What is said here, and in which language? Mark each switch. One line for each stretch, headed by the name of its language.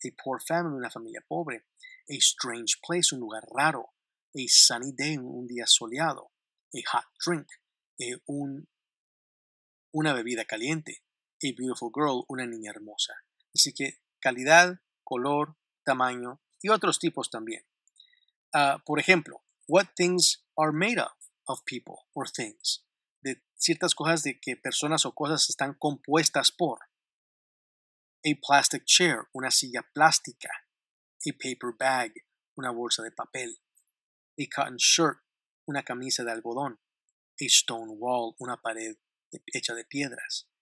English: A poor family,
Spanish: una familia pobre.
English: A strange place,
Spanish: un lugar raro.
English: A sunny day,
Spanish: un día soleado.
English: A hot drink,
Spanish: una bebida caliente.
English: A beautiful girl,
Spanish: una niña hermosa. Así que calidad, color, tamaño y otros tipos también. Por ejemplo,
English: what things are made of? Of people or things.
Spanish: de ciertas cosas de que personas o cosas están compuestas por.
English: A plastic chair,
Spanish: una silla plástica.
English: A paper bag,
Spanish: una bolsa de papel.
English: A cotton shirt,
Spanish: una camisa de algodón.
English: A stone wall,
Spanish: una pared hecha de piedras.